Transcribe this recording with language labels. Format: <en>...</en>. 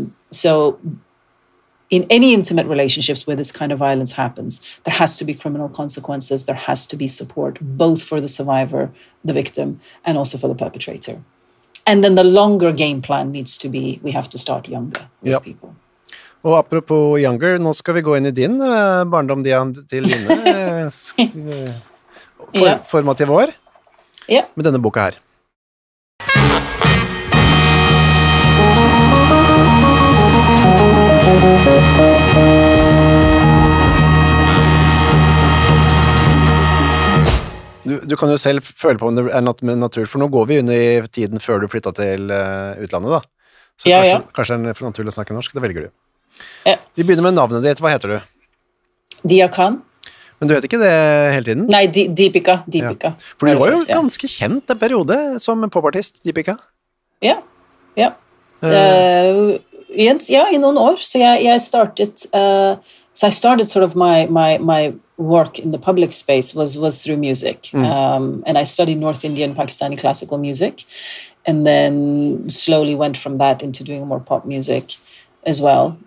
<en>So in any intimate relationships where this kind of violence happens, there has to be criminal consequences. There has to be support, both for the survivor, the victim, and also for the perpetrator. And then the longer game plan needs to be, we have to start younger with yep. people.</en> <no>Og apropos younger, nå skal vi gå inn I din barndom, Dian, til Line, formativ år, med denne boka her. Du kan jo selv føle på om det naturlig, for nå går vi inn I tiden før du flyttet til utlandet da. Så kanskje er det naturlig å snakke norsk, det velger du. Ja. Vi begynner med navnet ditt, hva heter du? Dia Khan. Men du heter ikke det hele tiden? Nei, Deepika. Ja. For du var jo ganske kjent den periode som popartist, Deepika. Ja, ja. Ja, I noen år. Så jeg startet</no> <en>sort of my work in the public space was through music. Mm. And I studied North Indian Pakistani classical music and then slowly went from that into doing more pop music as well.</en>